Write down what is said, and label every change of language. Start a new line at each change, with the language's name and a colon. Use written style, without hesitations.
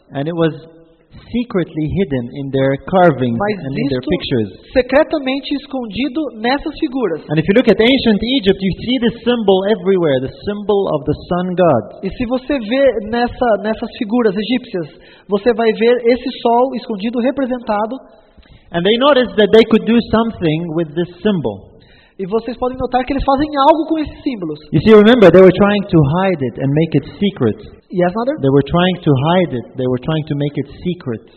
English: And it was secretly hidden in their carvings and in their pictures.
Portuguese: Secretamente escondido nessas figuras.
English: And if you look at ancient Egypt, you see this symbol everywhere, the symbol of the sun god.
Portuguese: E se você vê nessas figuras egípcias, você vai ver esse sol escondido representado.
English: And they noticed that they could do something with this symbol.
Portuguese: E vocês podem notar que eles fazem algo com esses símbolos.
English: You see, remember, they were trying to hide it and make it secret. Yes, mother? They were trying to hide it. They were trying to make it secret.